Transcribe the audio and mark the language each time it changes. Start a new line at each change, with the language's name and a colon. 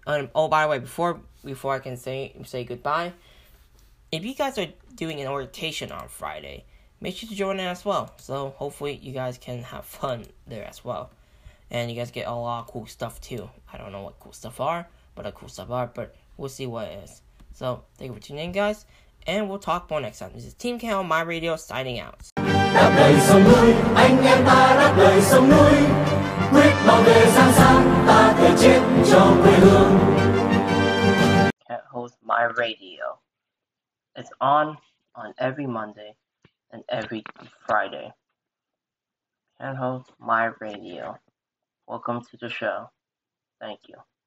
English: Oh, by the way, before I can say goodbye, if you guys are doing an orientation on Friday, make sure to join in as well. So hopefully you guys can have fun there as well. And you guys get a lot of cool stuff too. I don't know what cool stuff are, but we'll see what it is. So thank you for tuning in, guys. And we'll talk more next time. This is Team Kale on My Radio signing out.
Vietnamese: Đạp đầy sông núi, anh em ta đạp đầy sông núi. Quyết bảo vệ sáng sáng, ta thề chết cho quê hương.
English: Cat Host My Radio. It's on every Monday and every Friday. Cat Host My Radio. Welcome to the show. Thank you.